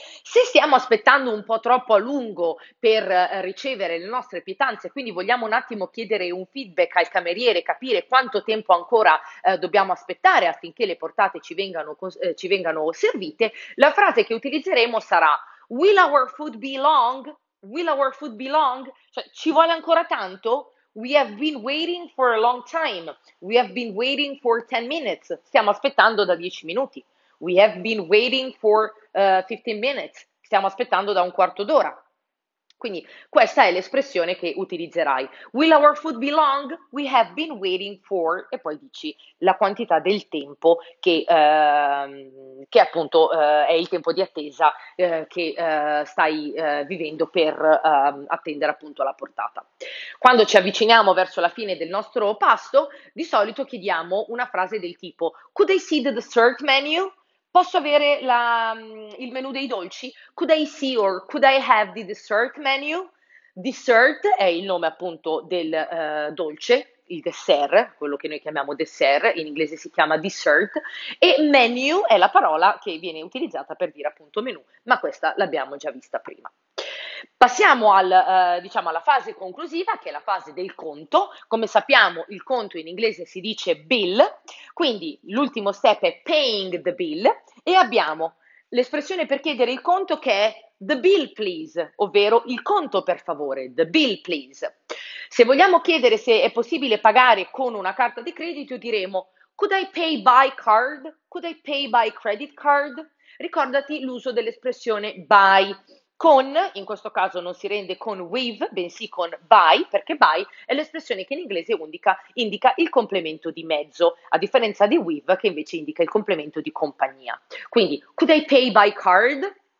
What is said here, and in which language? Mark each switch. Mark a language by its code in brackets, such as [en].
[it] Se stiamo aspettando un po' troppo a lungo per ricevere le nostre pietanze, quindi vogliamo un attimo chiedere un feedback al cameriere, capire quanto tempo ancora dobbiamo aspettare affinché le portate ci vengano servite, la frase che utilizzeremo sarà: [en] Will our food be long? Will our food be long? [it] Cioè, ci vuole ancora tanto? [en] We have been waiting for a long time. We have been waiting for 10 minutes. [it] Stiamo aspettando da 10 minuti. [en] We have been waiting for 15 minutes. [it] Stiamo aspettando da un quarto d'ora. Quindi questa è l'espressione che utilizzerai. [en] Will our food be long? We have been waiting for. [it] E poi dici la quantità del tempo che appunto è il tempo di attesa che stai vivendo per attendere appunto la portata. Quando ci avviciniamo verso la fine del nostro pasto, di solito chiediamo una frase del tipo: [en] Could I see the dessert menu? [it] Posso avere il menù dei dolci? [en] Could I see or could I have the dessert menu? [it] Dessert è il nome appunto del dolce, il dessert, quello che noi chiamiamo dessert, in inglese si chiama dessert, e menu è la parola che viene utilizzata per dire appunto menù, ma questa l'abbiamo già vista prima. Passiamo diciamo alla fase conclusiva, che è la fase del conto. Come sappiamo, il conto in inglese si dice bill, quindi l'ultimo step è [en] paying the bill [it] e abbiamo l'espressione per chiedere il conto che è [en] the bill please, [it] ovvero il conto per favore, [en] the bill please. [it] Se vogliamo chiedere se è possibile pagare con una carta di credito, diremo [en] could I pay by card? Could I pay by credit card? [it] Ricordati l'uso dell'espressione by. Con, in questo caso non si rende con with, bensì con by, perché by è l'espressione che in inglese indica il complemento di mezzo, a differenza di with, che invece indica il complemento di compagnia. [en] Quindi, could I pay by card?